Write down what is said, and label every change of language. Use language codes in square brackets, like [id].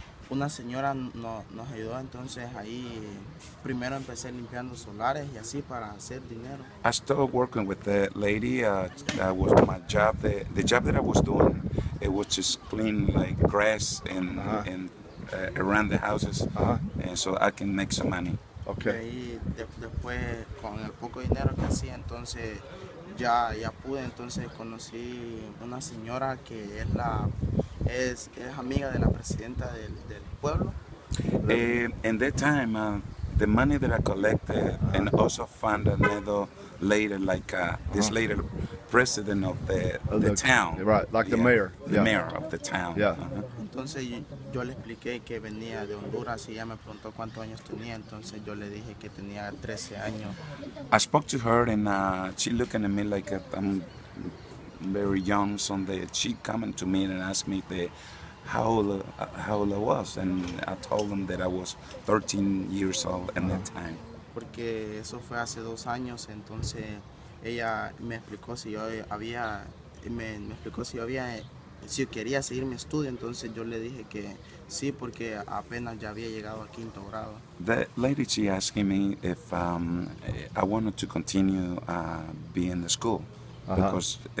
[es] Una señora nos ayudó, entonces ahí primero empecé limpiando solares y así para hacer dinero. [en] I started working with that lady. That was my job. The job that I was doing, it was just clean like grass and around the houses, and so I can make some money. Okay. [es] Y después con el poco dinero que hacía, entonces ya pude, entonces conocí una señora que es la es amiga de la presidenta del pueblo. [en] In that time, the money that I collected and also found another lady, like this lady, president of the town. Right, like the mayor. The mayor of the town. Yeah. [es] Entonces yo le expliqué que venía de Honduras y ella me preguntó cuántos años tenía. Entonces yo le dije que tenía 13 años. [en] I spoke to her and she looking at me like I'm very young, so she coming to me and asked me how old I was, and I told them that I was 13 years old at that time. [es] Porque eso fue hace 2 años, entonces ella me explicó si quería seguir mi estudio, entonces yo le dije que sí, porque apenas ya había llegado al quinto grado. [en] The lady, she asking me if I wanted to continue being in school. Because